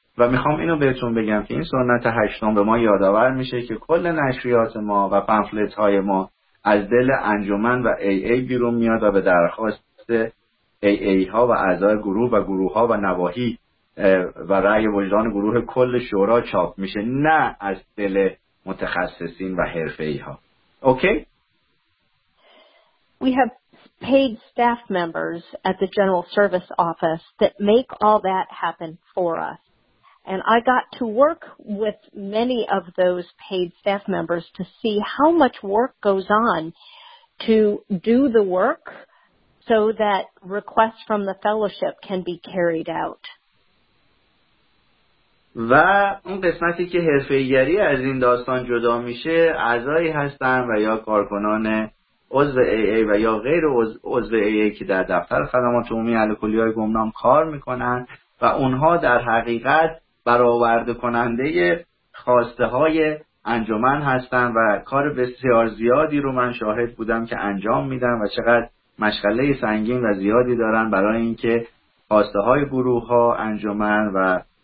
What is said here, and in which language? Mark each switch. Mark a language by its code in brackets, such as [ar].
[fa] و میخوام اینو بهتون بگم که این سنت هشتم به ما یادآور میشه که کل نشریات ما و پمفلت های ما از دل انجمن و AA بیرون میاد و به درخواست AA ها و اعضای گروه و گروه ها و نواحی و رأی وجدان گروه کل شورا چاپ میشه، نه از دل متخصصین و حرفه‌ای ها. اوکی؟ [en] We have paid staff members at the General Service Office that make all that happen for us. And I got to work with many of those paid staff members to see how much work goes on to do the work so that requests from the fellowship can be carried out. [fa] و اون قسمتی که حرفه‌ای‌گری از این داستان جدا میشه، اعضایی هستن و یا کارکنان عضو AA و یا غیر عضو AA که در دفتر خدمات عمومی الکلی‌های گمنام کار میکنن و اونها در حقیقت برآورده کننده خواسته های انجمن هستن و کار بسیار زیادی رو من شاهد بودم که انجام میدن و چقدر مشغله سنگین و زیادی دارن برای اینکه خواسته های گروه ها، انجمن و